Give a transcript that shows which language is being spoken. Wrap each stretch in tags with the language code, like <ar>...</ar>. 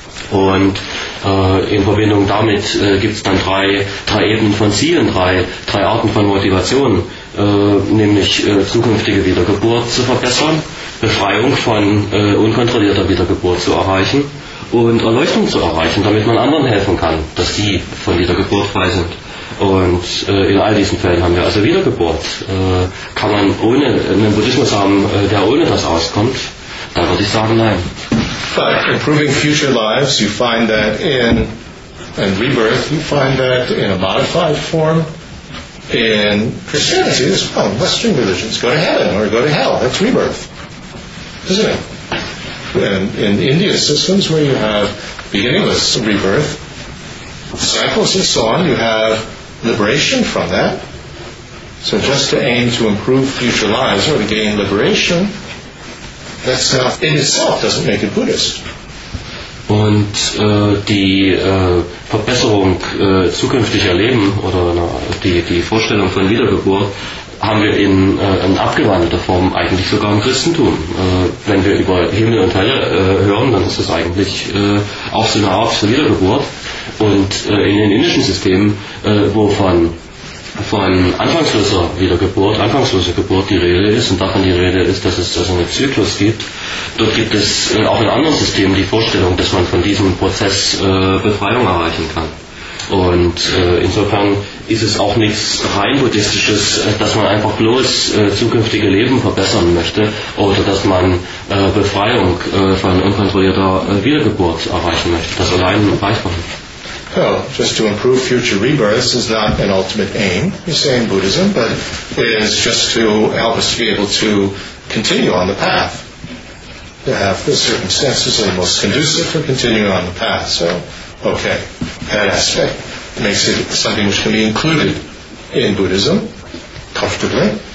<de>Und in Verbindung damit gibt es dann drei Ebenen von Zielen, drei Arten von Motivation, nämlich zukünftige Wiedergeburt zu verbessern, Befreiung von unkontrollierter Wiedergeburt zu erreichen und Erleuchtung zu erreichen, damit man anderen helfen kann, dass die von Wiedergeburt frei sind. Und in all diesen Fällen haben wir also Wiedergeburt. Kann man ohne einen Buddhismus haben, der ohne das auskommt? Da würde ich sagen, nein.</de> <en>But improving future lives, you find that in rebirth, you find that in a modified form in Christianity as well, in Western religions. Go to heaven or go to hell, that's rebirth, isn't it? And in Indian systems where you have beginningless rebirth, cycles and so on, you have liberation from that. So just to aim to improve future lives or to gain liberation, that's not in itself doesn't make it Buddhist.</en> <de>Und die Verbesserung zukünftiger Leben oder die Vorstellung von Wiedergeburt haben wir in abgewandelter Form eigentlich sogar im Christentum. Wenn wir über Himmel und Hölle hören, dann ist das eigentlich auch so eine Art zur Wiedergeburt. Und in den indischen Systemen, wovon von anfangsloser Wiedergeburt, anfangsloser Geburt die Rede ist und davon die Rede ist, dass es also einen Zyklus gibt. Dort gibt es auch in anderen Systemen die Vorstellung, dass man von diesem Prozess Befreiung erreichen kann. Und insofern ist es auch nichts rein Buddhistisches, dass man einfach bloß zukünftige Leben verbessern möchte oder dass man Befreiung von unkontrollierter Wiedergeburt erreichen möchte. Das allein reicht man nicht.</de> <en>No, just to improve future rebirths is not an ultimate aim, you say in Buddhism, but it is just to help us to be able to continue on the path. To have the circumstances that are most conducive for continuing on the path. So, okay, that aspect makes it something which can be included in Buddhism comfortably.</en>